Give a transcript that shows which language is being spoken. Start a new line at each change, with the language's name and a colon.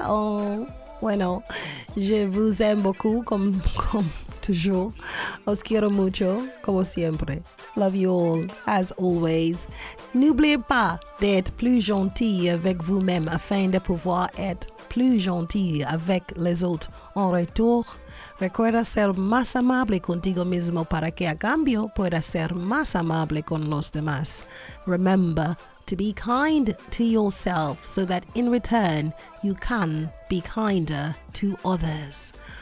French: Oh, bueno, je vous aime beaucoup, comme toujours.
Spanish: Os quiero mucho, como siempre.
English: Love you all, as always.
French: N'oubliez pas d'être plus gentil avec vous-même afin de pouvoir être plus gentil avec les autres. En retour,
Spanish: recuerda ser más amable contigo mismo para que a cambio pueda ser más amable con los demás.
English: Remember to be kind to yourself so that in return you can be kinder to others.